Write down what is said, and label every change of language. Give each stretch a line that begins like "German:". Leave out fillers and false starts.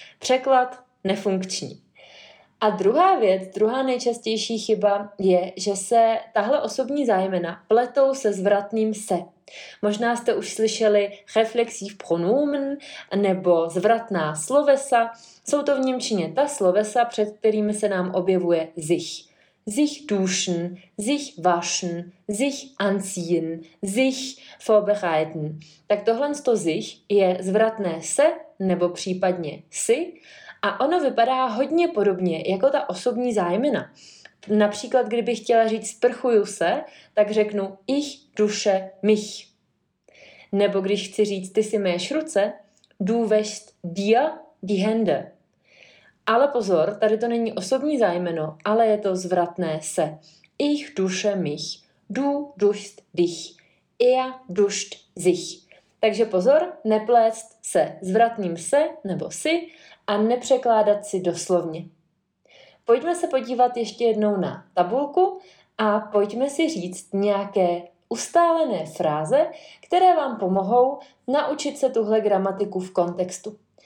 Czech: Překlad nefunkční. A druhá věc, druhá nejčastější chyba je, že se tahle osobní zájmena pletou se zvratným se. Možná jste už slyšeli reflexiv pronomen nebo zvratná slovesa. Jsou to v němčině ta slovesa, před kterými se nám objevuje sich.
German: Sich duschen, sich waschen, sich anziehen, sich vorbereiten.
Czech: Tak tohle z toho sich je zvratné se nebo případně si. A ono vypadá hodně podobně jako ta osobní zájmena. Například, kdybych chtěla říct sprchuju se, tak řeknu
German: ich dusche mich.
Czech: Nebo když chci říct ty si myješ ruce,
German: du wäschst dir die Hände.
Czech: Ale pozor, tady to není osobní zájmeno, ale je to zvratné se.
German: Ich dusche mich, du duschst dich, er duscht sich.
Czech: Takže pozor, neplést se zvratným se nebo si a nepřekládat si doslovně. Pojďme se podívat ještě jednou na tabulku a pojďme si říct nějaké ustálené fráze, které vám pomohou naučit se tuhle gramatiku v kontextu.